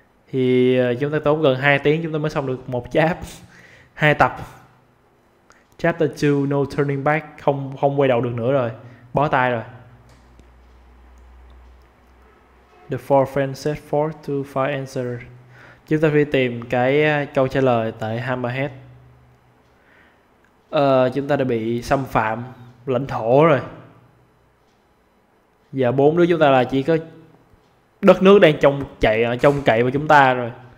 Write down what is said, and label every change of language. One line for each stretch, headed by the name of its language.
Vietnamese: Thì chúng ta tốn gần 2 tiếng chúng ta mới xong được một chat. 2 tập. Chapter 2 No Turning Back, không quay đầu được nữa rồi. Bó tay rồi.
English: The four friends set forth to find answer.
Vietnamese: Chúng ta đi tìm cái câu trả lời tại Hammerhead. Chúng ta đã bị xâm phạm lãnh thổ rồi. Giờ bốn đứa chúng ta là chỉ có đất nước đang trông cậy vào chúng ta rồi.